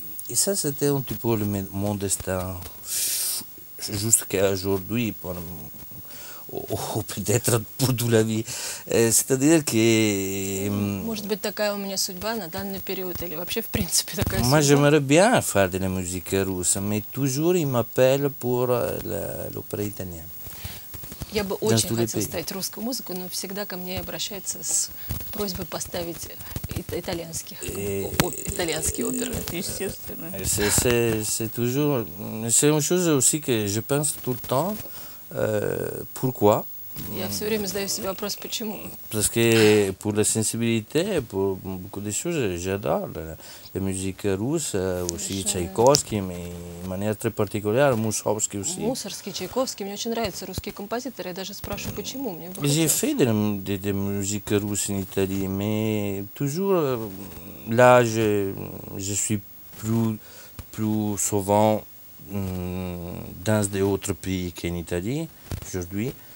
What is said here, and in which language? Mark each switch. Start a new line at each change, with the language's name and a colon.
French: Et ça, c'était un petit peu le mon destin. Jusqu'à aujourd'hui, peut-être pour toute la vie. C'est-à-dire que...
Russian: Peut-être такая у меня судьба на данный период, или вообще, в принципе, такая судьба.
French: Moi, j'aimerais bien faire de la musique russe, mais toujours, ils m'appellent pour l'opéra italienne.
Russian: Я бы очень хотела ставить русскую музыку, но всегда ко мне обращаются с просьбой поставить итальянские оперы, естественно.
French: C'est toujours... C'est une chose aussi que je pense tout le temps. Pourquoi?
Russian: Я все время задаю себе вопрос, почему?
French: Parce que pour la sensibilité, pour beaucoup de choses, j'adore la musique russe, aussi Чайковский, mais de manière très particulière, Мусоргский aussi.
Russian: Мусоргский, Чайковский, мне очень нравятся русские композиторы, я даже спрашиваю, почему? Мне вопрос.
French: J'ai fait de musique russe en Italie, mais toujours, là, je suis plus souvent dans d'autres pays qu'en Italie, aujourd'hui.